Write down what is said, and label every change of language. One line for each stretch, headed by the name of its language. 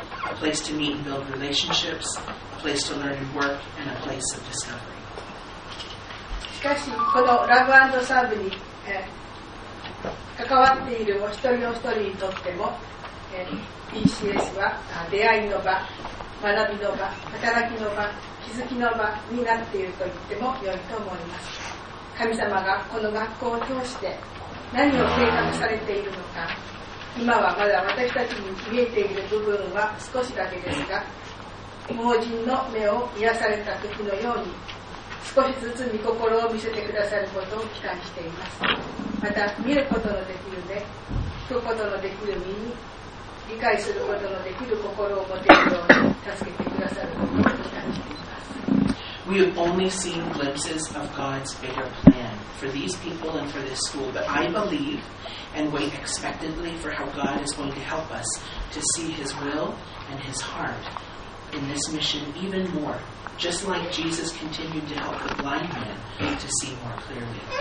English: A place to meet and build relationships, a place to learn and work, and a place of discovery.
Japanese: しかし、このラブ&サーブに、関わっているお一人お一人にとっても、BCS は出会いの場、学びの場、働きの場、気づきの場になっていると言っても良いと思います。神様がこの学校を通して何を計画されているのか、今はまだ私たちに見えている部分は少しだけですが、盲人の目を癒された時のように少しずつ御心を見せてくださることを期待しています。また見ることのできる目、聞くことのできる耳、理解することのできる心を持てるように助けてくださることを期待しています。
English: We have only seen glimpses of God's bigger plan for these people and for this school, but I believeand wait expectantly for how God is going to help us to see His will and His heart in this mission even more, just like Jesus continued to help the blind man to see more clearly.